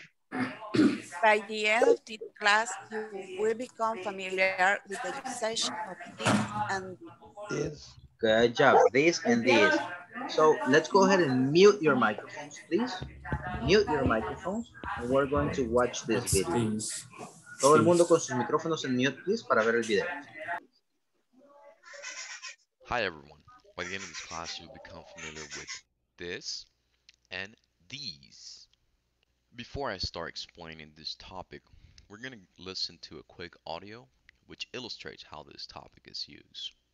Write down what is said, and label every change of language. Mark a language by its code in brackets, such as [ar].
[en] By the end of this class, you will become familiar with the usage of this and this. Good job. This and this. So let's go ahead and mute your microphones, please. Mute your microphones. And we're going to watch this video. [es] Todo el mundo con sus micrófonos en mute, please, para ver el video. [en] Hi, everyone. By the end of this class, you'll become familiar with this and these. Before I start explaining this topic, we're going to listen to a quick audio which illustrates how this topic is used.